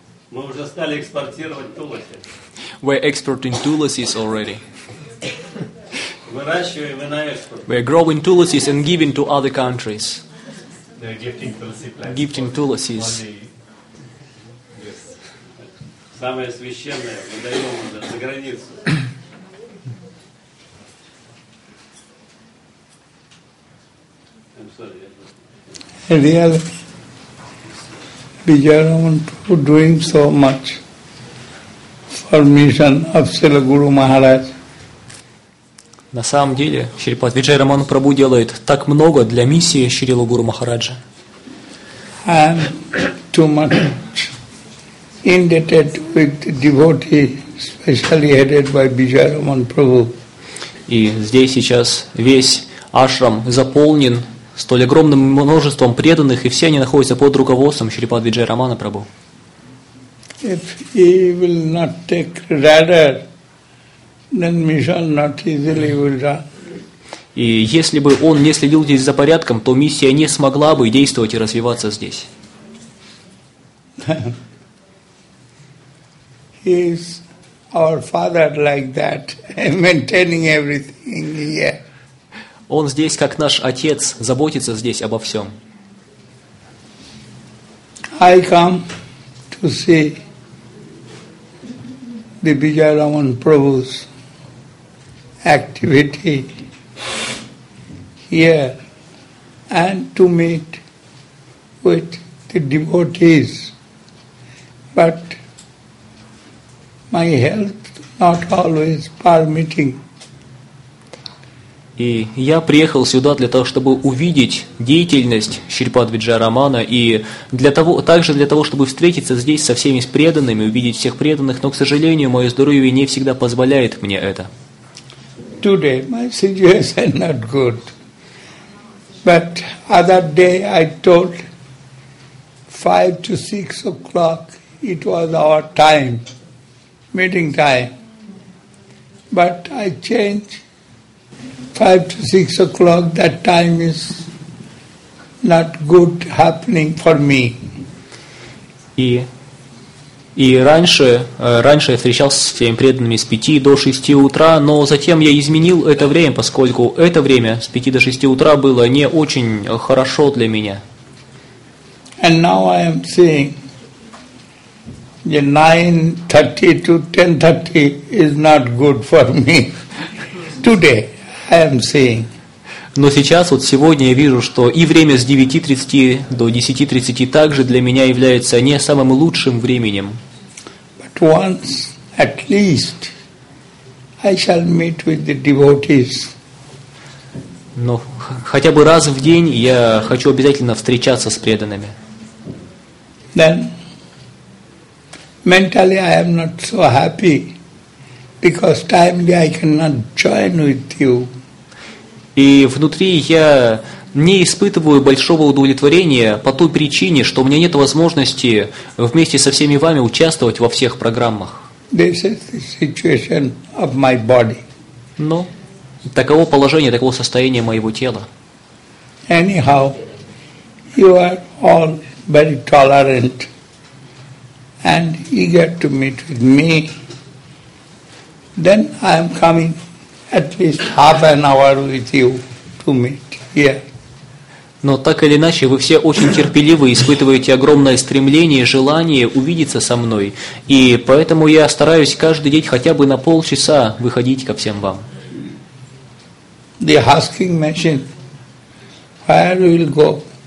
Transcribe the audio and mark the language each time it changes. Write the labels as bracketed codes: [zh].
[ru] Мы уже стали экспортировать Тулосе. [en] We're exporting Tulasis already. [ru] Выращиваем и на экспорт. [en] We're growing Tulasis and giving to other countries. They're gifting Tulasi plants. Gifting Tulasis. Yes. [ru] Самое священное, мы даем уже за границу. [en] I'm sorry, Really, Vijayaraman Prabhu doing so much for mission of Srila Guru Maharaj. [ru] На самом деле, Шрипад Виджайраман Прабху делает так много для миссии Шрила Гуру Махараджа. [en] And too much indebted with devotee, especially headed by Vijayaraman Prabhu. [ru] И здесь сейчас весь ашрам заполнен столь огромным множеством преданных, и все они находятся под руководством Шрипад Виджайарамана Прабху. [en] If he will not take radar, then mission not easily will run. [ru] И если бы он не следил здесь за порядком, то миссия не смогла бы действовать и развиваться здесь. [en] He is our father like that, maintaining everything here. [ru] Он здесь, как наш отец, заботится здесь обо всем. [en] I come to see the Vijayaraman Prabhu's activity here and to meet with the devotees, but my health not always permitting. [ru] И я приехал сюда для того, чтобы увидеть деятельность Шрипад Виджайарамана и для того, также для того, чтобы встретиться здесь со всеми преданными, увидеть всех преданных, но, к сожалению, мое здоровье не всегда позволяет мне это. [en] today my situation not good. But other day I told 5 to 6 o'clock it was our time, meeting time. But I changed 5 to 6 o'clock, that time is not good happening for me. [ru] И раньше я встречался со своими преданными с 5 до 6 утра, но затем я изменил это время, поскольку это время с 5 до 6 утра было не очень хорошо для меня. [en] And now I am seeing the 9:30 to 10:30 is not good for me. Today I am seeing. [ru] Но сейчас, вот сегодня я вижу, что и время с 9:30 до 10:30 также для меня является не самым лучшим временем. [en] Once at least I shall meet with the devotees. [ru] Но хотя бы раз в день я хочу обязательно встречаться с преданными. [en] Then mentally I am not so happy because timely I cannot join with you. [ru] И внутри я не испытываю большого удовлетворения по той причине, что у меня нет возможности вместе со всеми вами участвовать во всех программах. [en] This is the situation of my body. [ru] Но таково положение, таково состояние моего тела. [en] Anyhow, you are all very tolerant and eager to meet with me. Then I am coming at least half an hour with you to meet here. [ru] Но так или иначе, вы все очень терпеливы, испытываете огромное стремление и желание увидеться со мной. И поэтому я стараюсь каждый день хотя бы на полчаса выходить ко всем вам. [en] The husking machine, where will go?